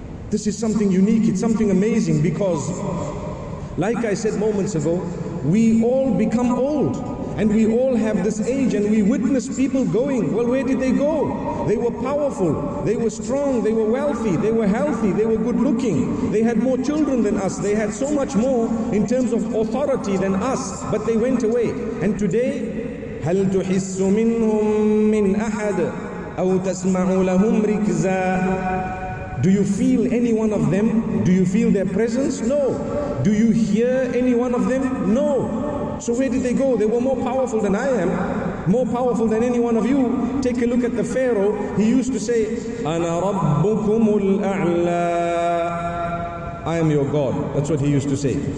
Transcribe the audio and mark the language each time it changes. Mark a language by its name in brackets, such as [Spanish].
[English] This is something unique, it's something amazing, because like I said moments ago, we all become old and we all have this age, and we witness people going, well, where did they go? They were powerful, they were strong, they were wealthy, they were healthy, they were good looking, they had more children than us, they had so much more in terms of authority than us, but they went away. And today, [Arabic] هَلْ تُحِسُّ مِنْهُمْ مِنْ أَحَدٍ أَوْ تَسْمَعُ لَهُمْ رِكْزًا. [English] Do you feel any one of them? Do you feel their presence? No. Do you hear any one of them? No. So where did they go? They were more powerful than I am, more powerful than any one of you. Take a look at the Pharaoh. He used to say, [Arabic] أَنَا رَبُّكُمُ الْأَعْلَىٰ. [English] I am your God. That's what he used to say.